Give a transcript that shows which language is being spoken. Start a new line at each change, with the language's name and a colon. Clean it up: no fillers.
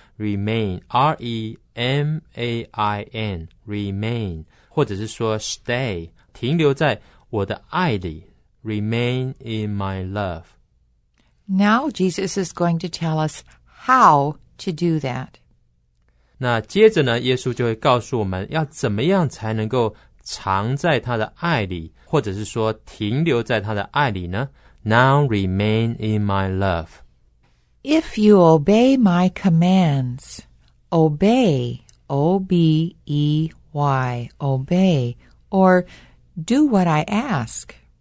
English: Remain, R-E-M-A-I-N, remain.
Chinese: 或者是说 stay, 停留在我的爱里。
English: Remain in my love. Now Jesus is going to tell us how to do that.
Chinese: 那接着呢，耶稣就会告诉我们要怎么样才能够常在他的爱里，或者是说停留在他的爱里呢？
English: Now remain in my love. If you obey my commands, obey, O-B-E-Y, obey, or do what I ask.